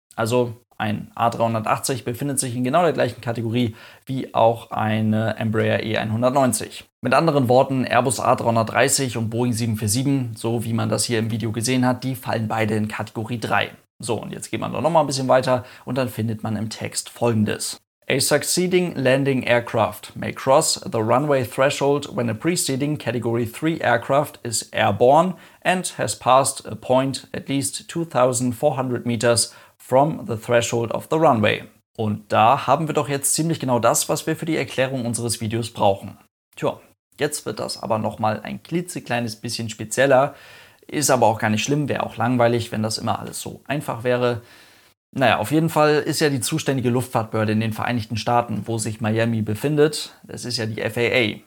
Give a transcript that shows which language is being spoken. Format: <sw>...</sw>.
<de>Also ein A380 befindet sich in genau der gleichen Kategorie wie auch eine Embraer E190. Mit anderen Worten, Airbus A330 und Boeing 747, so wie man das hier im Video gesehen hat, die fallen beide in Kategorie 3. So, und jetzt geht man doch nochmal ein bisschen weiter und dann findet man im Text Folgendes.</de> <en>A succeeding landing aircraft may cross the runway threshold when a preceding Category 3 aircraft is airborne and has passed a point at least 2,400 meters from the threshold of the runway.</en> <de>Und da haben wir doch jetzt ziemlich genau das, was wir für die Erklärung unseres Videos brauchen. Tja, Jetzt wird das aber nochmal ein klitzekleines bisschen spezieller. Ist aber auch gar nicht schlimm, wäre auch langweilig, wenn das immer alles so einfach wäre. Naja, auf jeden Fall ist ja die zuständige Luftfahrtbehörde in den Vereinigten Staaten, wo sich Miami befindet, das ist ja die FAA.</de>